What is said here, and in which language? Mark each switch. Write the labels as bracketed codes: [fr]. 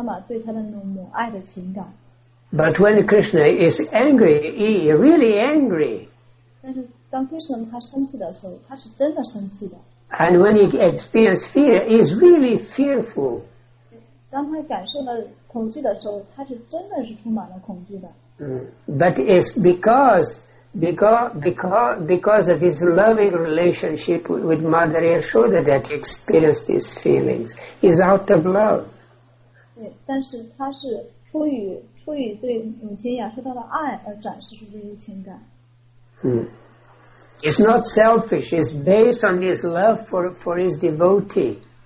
[zh] 所以他是为了去增强母亚瑟的妈妈对她的那种母爱的情感。 [en] But when Krishna is angry, he is really angry. [zh] 当Krishna他生气的时候，他是真的生气的。And [en] when he experiences fear, he is really fearful. [zh] 当他感受了恐惧的时候，他是真的是充满了恐惧的。But [en] it's because of his loving relationship with Mother Yashoda that he experienced these feelings. He's out of love. [zh] 对，但是他是出于对母亲亚瑟的爱而展示出这些情感。 [en] It's not selfish, it's based on his love for his devotee.